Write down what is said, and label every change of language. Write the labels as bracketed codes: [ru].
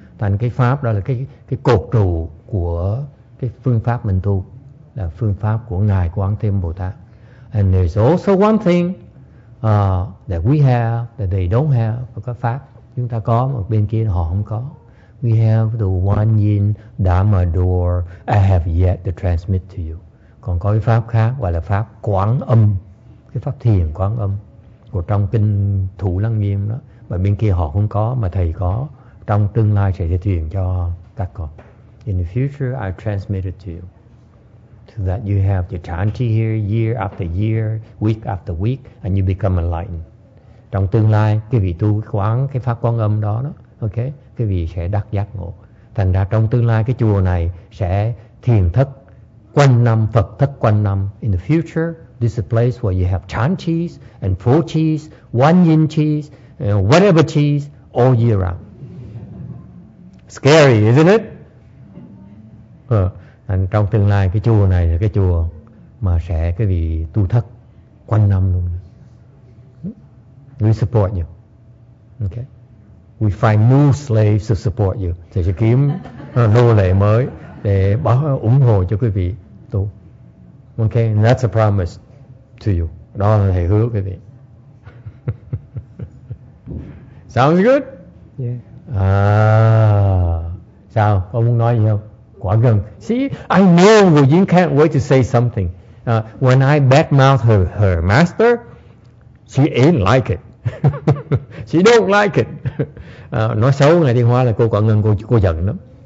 [vi] Thành cái pháp đó là cái cột trụ của cái phương pháp mình tu, là phương pháp của ngài Quán Thế Âm Bồ Tát. [en] And there's also one thing that we have that they don't have. [vi] Và cái pháp chúng ta có mà bên kia họ không có. [en] We have the one yin dharma door I have yet to transmit to you. [vi] Còn có cái pháp khác gọi là pháp Quán Âm, cái pháp thiền Quán Âm của trong kinh Thủ Lăng Nghiêm đó, mà bên kia họ không có, mà thầy có, trong tương lai sẽ truyền cho các con. [en] In the future I transmit it to you so that you have your chanting here year after year, week after week, and you become enlightened. [vi] Trong tương lai quý vị tu quán cái pháp Quán Âm đó đó, ok, quý vị sẽ đắc giác ngộ. Thành ra trong tương lai cái chùa này sẽ thiền thất quanh năm, Phật thất quanh năm. [en] In the future, this is a place where you have chan cheese and pho cheese, one yin cheese, whatever cheese, all year round. Scary, isn't it? [vi] And trong tương lai, cái chùa này là cái chùa mà sẽ cái vị tu thất quanh năm luôn. [en] We support you. Okay? We find new slaves to support you. [vi] Thì sẽ kiếm nô lệ mới để bảo ủng hộ cho quý vị. [en] Okay, and that's a promise to you. [vi] Đó là thầy hứa quý vị. [en] Sounds good? Yeah. [vi] Sao? Có muốn nói gì không? Quá gần. [en] See, I know Ngô Diễn can't wait to say something. When I badmouth her master, she ain't like it. She don't like it. [vi] Nói xấu ngày Thiên Hóa là cô Quả Ngân, cô giận lắm.